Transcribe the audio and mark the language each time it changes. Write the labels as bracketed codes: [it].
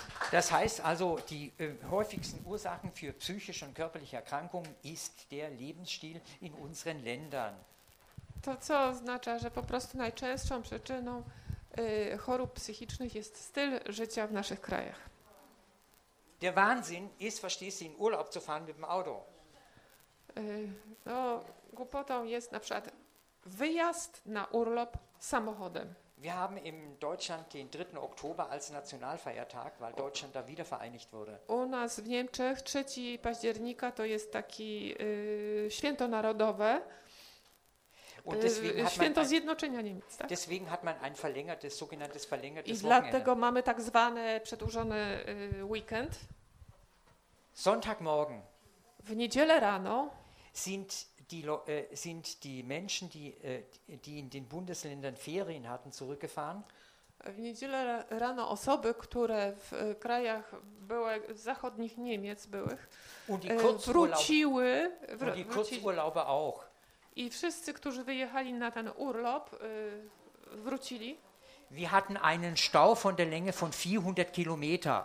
[de] Das heißt also, die häufigsten Ursachen für psychische und körperliche Erkrankungen ist der Lebensstil in unseren Ländern. [pl] To co oznacza, że po prostu najczęstszą przyczyną chorób psychicznych jest styl życia w naszych krajach. [de] Der Wahnsinn ist, verstehst du, in Urlaub zu fahren mit dem Auto. [pl] No, głupotą jest na przykład wyjazd na urlaub samochodem. [de] Wir haben in Deutschland den 3. Oktober als Nationalfeiertag, weil Deutschland da wiedervereinigt wurde. [pl] U nas w Niemczech 3 października to jest taki święto narodowe. [de] Und deswegen [pl] święto zjednoczenia Niemiec, tak? [de] Deswegen hat man ein verlängertes sogenanntes verlängertes Wochenende. [pl] I dlatego mamy tak zwany przedłużony weekend. [de] Sonntagmorgen. [pl] W niedzielę rano [de] sind die Menschen, die in den Bundesländern Ferien hatten, zurückgefahren. [pl] W niedzielę rano osoby, które w krajach były, w zachodnich Niemiec byłych, wróciły. [de] Und die Kurzurlaube auch. [pl] I wszyscy, którzy wyjechali na ten urlaub, wrócili. [de] Wir hatten einen Stau von der Länge von 400 Kilometer.